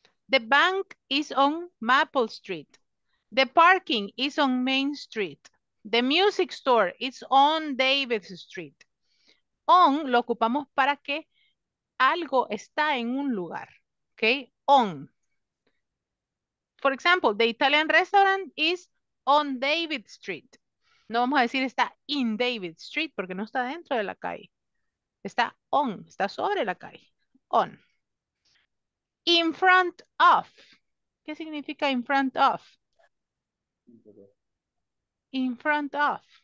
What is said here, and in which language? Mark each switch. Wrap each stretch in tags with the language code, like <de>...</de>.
<en>The bank is on Maple Street. The parking is on Main Street. The music store is on David Street.</en> <es>On lo ocupamos para que algo está en un lugar, okay?</es> <en>On. For example, the Italian restaurant is on David Street.</en> <es>No vamos a decir está in David Street porque no está dentro de la calle. Está on, está sobre la calle. On.</es> <en>In front of.</en> <es>¿Qué significa in front of?</es> <en>In front of.</en>